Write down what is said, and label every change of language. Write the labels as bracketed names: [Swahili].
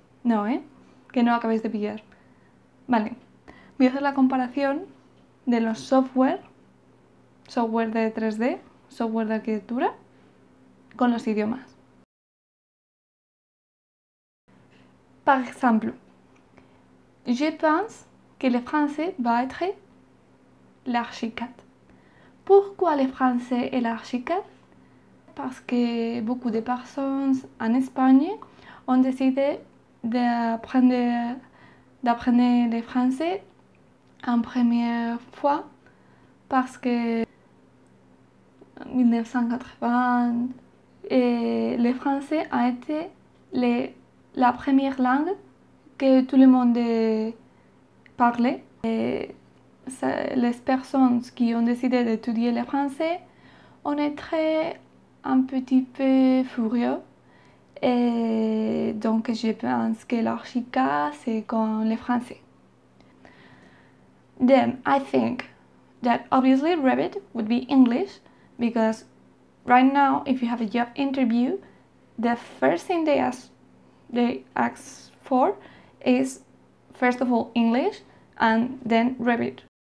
[Spanish] No, ¿eh? Que no acabéis de pillar. Vale, voy a hacer la comparación de los software de 3D, software de arquitectura, con los idiomas. [French] Par exemple, je pense que le français va être l'archicat. Pourquoi le français est l'archicat? Parce que beaucoup de personnes en Espagne ont décidé d'apprendre le français en première fois parce que 1980 et le français a été la première langue que tout le monde parlait. Et les personnes qui ont décidé d'étudier le français ont été un petit peu furieux. Et donc, je pense que l'archicat, c'est comme le français. [English] Then, I think that obviously Revit would be English because right now, if you have a job interview, the first thing they ask for is first of all English and then Revit.